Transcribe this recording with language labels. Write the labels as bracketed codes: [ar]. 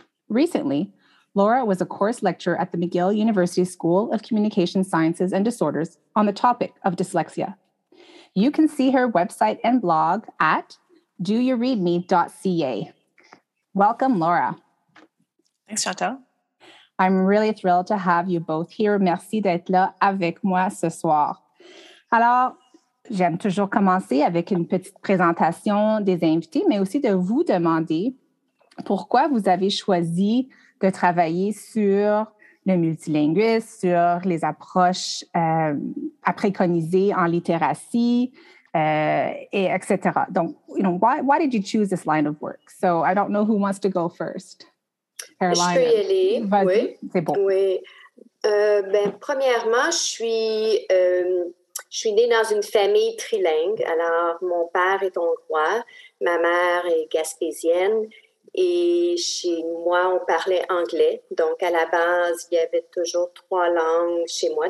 [en] Recently, Laura was a course lecturer at the McGill University School of Communication Sciences and Disorders on the topic of dyslexia. You can see her website and blog at doyoureadme.ca. Welcome, Laura. Thanks, Chantal. I'm really thrilled to have you both here. [fr] Merci d'être là avec moi ce soir. Alors, j'aime toujours commencer avec une petite présentation des invités, mais aussi de vous demander pourquoi vous avez choisi de travailler sur le multilinguisme, sur les approches à préconiser en littératie, et etc. [en] Donc, you know, why did you choose this line of work? So, I don't know who wants to go first. [fr] Caroline. Je peux y aller. Vas-y. Oui. C'est bon. Oui. Premièrement, je suis née dans une famille trilingue. Alors, mon père est hongrois, ma mère est gaspésienne et chez moi, on parlait anglais. Donc, à la base, il y avait toujours trois langues chez moi.